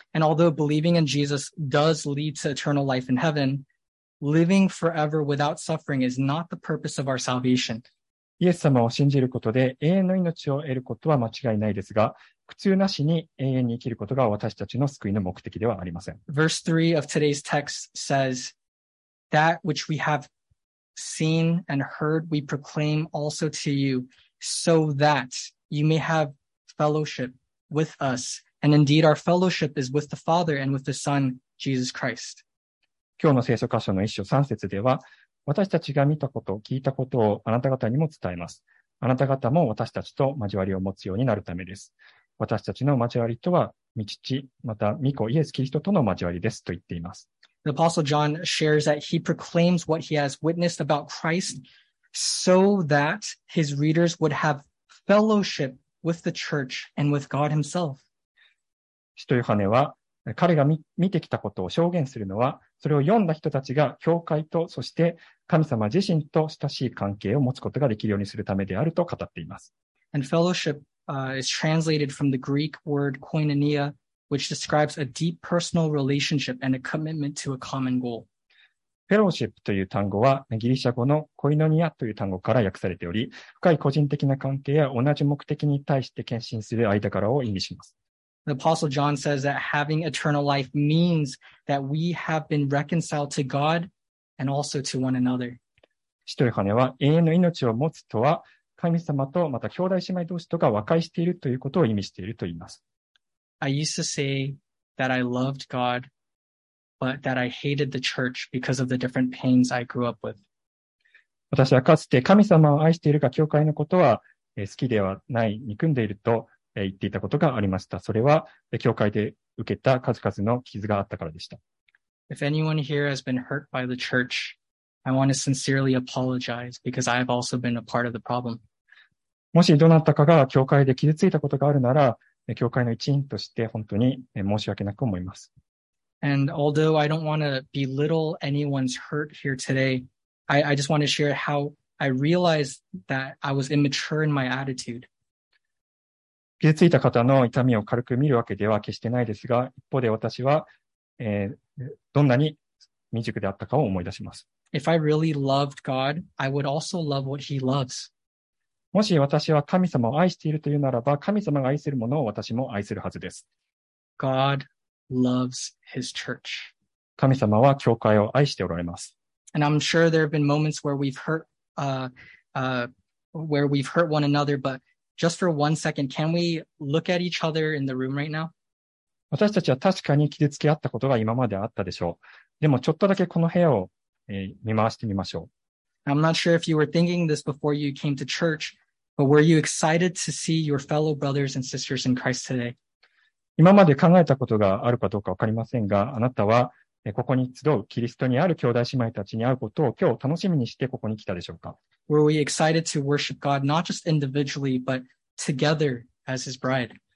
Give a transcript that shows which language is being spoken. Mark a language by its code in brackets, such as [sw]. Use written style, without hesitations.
[en] And although believing in Jesus does lead to eternal life in heaven, living forever without suffering is not the purpose of our salvation. [ja] イエス様を信じることで永遠の命を得ることは間違いないですが、苦痛なしに永遠に生きることが私たちの救いの目的ではありません。 [en] Verse 3 of today's text says, That which we have seen and heard, we proclaim also to you, so that you may have fellowship with us. And indeed, our fellowship is with the Father and with the Son, Jesus Christ. [ja] 今日の聖書箇所の一章三節では、私たちが見たこと、聞いたことをあなた方にも伝えます。あなた方も私たちと交わりを持つようになるためです。私たちの交わりとは、御父、また御子イエス・キリストとの交わりですと言っています。 [en] The Apostle John shares that he proclaims what he has witnessed about Christ so that his readers would have fellowship with the church and with God himself. [ja] 使徒ヨハネは、彼が見てきたことを証言するのは、それを読んだ人たちが教会とそして神様自身と親しい関係を持つことができるようにするためであると語っています。 [en] And fellowship, is translated from the Greek word koinonia, which describes a deep personal relationship and a commitment to a common goal. [ja] Fellowship という単語はギリシャ語のコイノニアという単語から訳されており、深い個人的な関係や同じ目的に対して献身する間柄を意味します。 [en] The Apostle John says that having eternal life means that we have been reconciled to God and also to one another. [ja] 使徒ヨハネは永遠の命を持つとは、神様とまた兄弟姉妹同士とが和解しているということを意味していると言います。 [en] I used to say that I loved God, but that I hated the church because of the different pains I grew up with. [ja] 私はかつて神様を愛しているが教会のことは好きではない、憎んでいると、言っていたことがありました。それは教会で受けた数々の傷があったからでした。 [en] If anyone here has been hurt by the church, I want to sincerely apologize because I have also been a part of the problem. [ja] もしどなたかが教会で傷ついたことがあるなら、教会の一員として本当に申し訳なく思います。 [en] And although I don't want to belittle anyone's hurt here today, I just want to share how I realized that I was immature in my attitude. [ja] 傷ついた方の痛みを軽く見るわけでは決してないですが、一方で私は、どんなに未熟であったかを思い出します。 [en] If I really loved God, I would also love what he loves. [ja] もし私は神様を愛しているというならば、神様が愛するものを私も愛するはずです。 [en] God loves his church. [ja] 神様は教会を愛しておられます。 [en] And I'm sure there have been moments where we've hurt one another, butJust for one second, can we look at each other in the room right now? [ja] 私たちは確かに傷つけ合ったことが今まであったでしょう。でもちょっとだけこの部屋を、見回してみましょう。 [en] I'm not sure if you were thinking this before you came to church, but were you excited to see your fellow brothers and sisters in Christ today? [ja] 今まで考えたことがあるかどうかわかりませんが、あなたはここに集うキリストにある兄弟姉妹たちに会うことを今日楽しみにしてここに来たでしょうか。 [en] Were we excited to worship God not just individually but together as His bride?